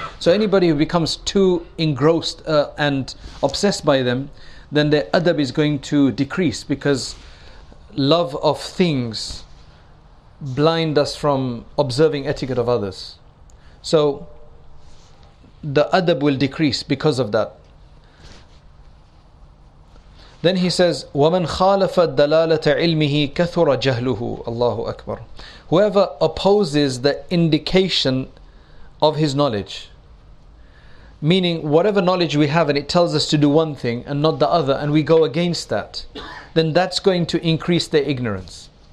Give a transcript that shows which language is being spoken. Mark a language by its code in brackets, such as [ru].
[en] So anybody who becomes too engrossed and obsessed by them, then their adab is going to decrease, because love of things blind us from observing etiquette of others. So the adab will decrease because of that. Then he says, [ar] وَمَنْ خَالَفَ الدَّلَالَةَ عِلْمِهِ كَثُرَ جَهْلُهُ. Allahu Akbar. [en] Whoever opposes the indication of his knowledge, meaning whatever knowledge we have and it tells us to do one thing and not the other, and we go against that, then that's going to increase their ignorance.